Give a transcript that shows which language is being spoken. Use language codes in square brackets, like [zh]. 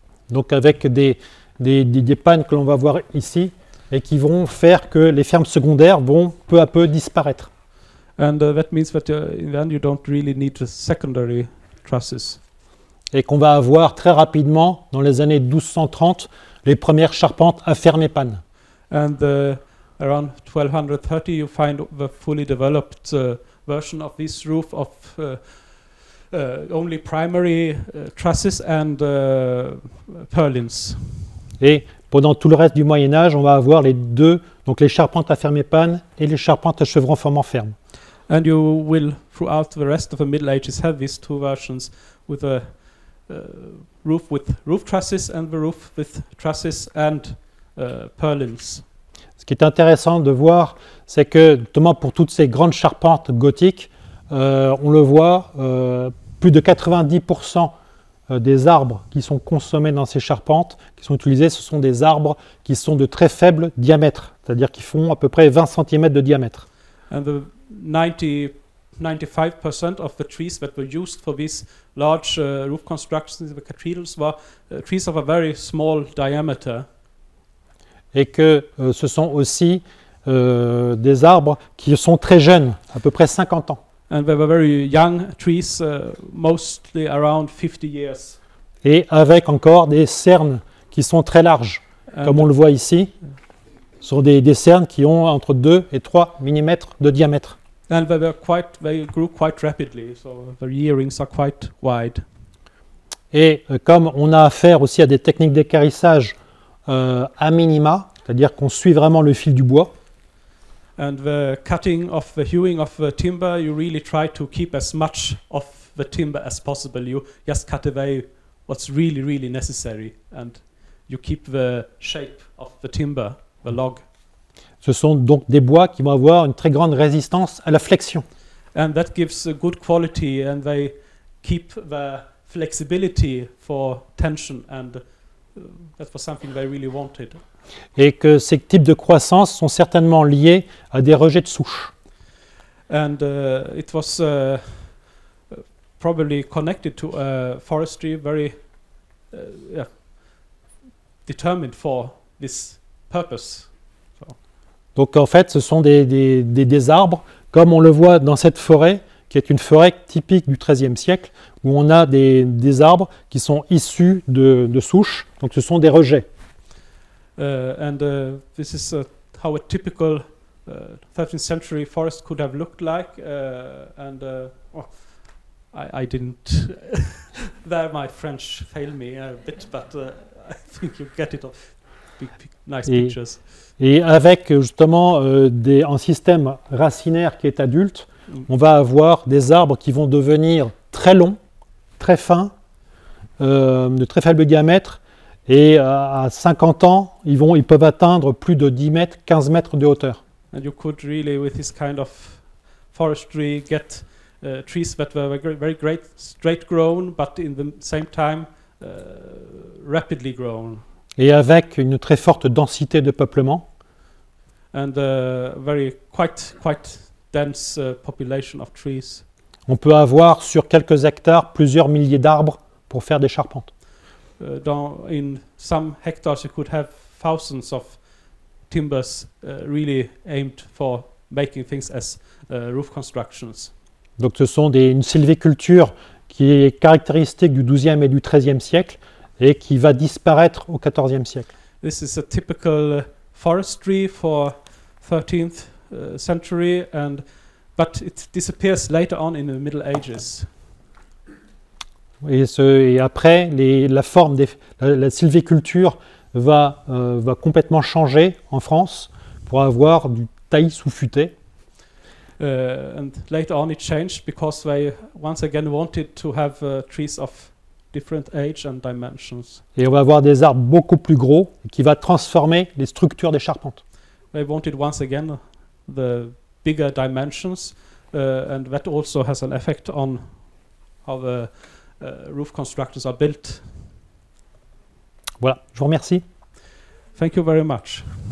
[fr] Donc avec des pannes que l'on va voir ici et qui vont faire que les fermes secondaires vont peu à peu disparaître. [en] And that means that then you don't really need the secondary trusses. [fr] Et qu'on va avoir très rapidement, dans les années 1230, les premières charpentes à ferme et panne. [en] And around 1230, you find the fully developed version of this roof of only primary trusses and purlins. [fr] Et pendant tout le reste du Moyen-Âge, on va avoir les deux, donc les charpentes à ferme et panne et les charpentes à chevrons formant ferme. [en] And you will, throughout the rest of the Middle Ages, have these two versions with a roof with roof trusses and the roof with trusses and purlins. [fr] Ce qui est intéressant de voir, c'est que notamment pour toutes ces grandes charpentes gothiques, on le voit, plus de 90% des arbres qui sont consommés dans ces charpentes, qui sont utilisés, ce sont des arbres qui sont de très faible diamètre, c'est-à-dire qui font à peu près 20 cm de diamètre. [en] And the 95% of the trees that were used for these large roof constructions in the cathedrals were trees of a very small diameter. [fr] Et que ce sont aussi des arbres qui sont très jeunes, à peu près 50 ans. [en] And they were very young trees, mostly around 50 years. [fr] Et avec encore des cernes qui sont très larges, and comme on le voit ici. Ce sont des cernes qui ont entre 2 et 3 mm de diamètre. [en] And they grew quite rapidly, so the earrings are quite wide. [fr] Et comme on a affaire aussi à des techniques d'équarissage à minima, c'est-à-dire qu'on suit vraiment le fil du bois. [en] And the cutting of the hewing of the timber, you really try to keep as much of the timber as possible. You just cut away what's really, really necessary and you keep the shape of the timber, the log. [fr] Ce sont donc des bois qui vont avoir une très grande résistance à la flexion. [en] And that gives a good quality and they keep the flexibility for tension and that was something they really wanted. [fr] Et que ces types de croissance sont certainement liés à des rejets de souches. [en] And it was probably connected to a forestry very determined for this purpose. [fr] Donc en fait, ce sont des arbres, comme on le voit dans cette forêt, qui est une forêt typique du XIIIe siècle, où on a des arbres qui sont issus de souches, donc ce sont des rejets. [en] And this is how a typical 13th century forest could have looked like, and I didn't, there my French failed me a bit, but I think you get it all. pictures. [fr] Et avec justement un système racinaire qui est adulte, on va avoir des arbres qui vont devenir très longs, très fins, de très faible diamètre, et à 50 ans, ils peuvent atteindre plus de 10 mètres, 15 mètres de hauteur. [en] And you could really, with this kind of forestry, get trees that were very great, straight grown, but in the same time, rapidly grown. [fr] Et avec une très forte densité de peuplement. [en] And a very quite dense population of trees. [fr] On peut avoir sur quelques hectares plusieurs milliers d'arbres pour faire des charpentes. [en] In some hectares, you could have thousands of timbers really aimed for making things as roof constructions. [fr] Donc ce sont une sylviculture qui est caractéristique du 12e et du 13e siècle et qui va disparaître au 14e siècle. [en] This is a typical forestry for 13th century, but it disappears later on in the Middle Ages. [fr] Et après, la forme de la sylviculture va complètement changer en France pour avoir du taillis souffuté. [en] And later on it changed because they once again wanted to have trees of different age and dimensions. [fr] Et on va avoir des arbres beaucoup plus gros qui va transformer les structures des charpentes. [en] They wanted once again the bigger dimensions and that also has an effect on how the roof constructors are built. [fr] Voilà, je vous remercie. [en] Thank you very much.